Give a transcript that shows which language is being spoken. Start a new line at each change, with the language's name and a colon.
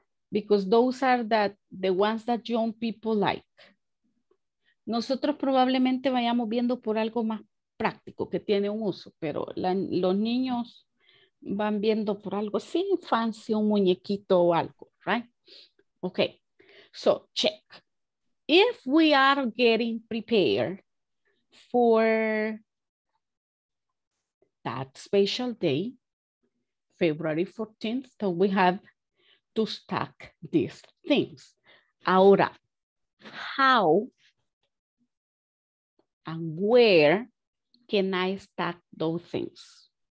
English: Because those are the ones that young people like.
Spanish: Nosotros probablemente vayamos viendo por algo más práctico que tiene un uso, pero los niños van viendo por algo sí fancy, un muñequito o algo,
English: right? Okay, so check. If we are getting prepared for that special day, February 14th, so we have to stack these things.
Spanish: Ahora,
English: how and where can I stack those things?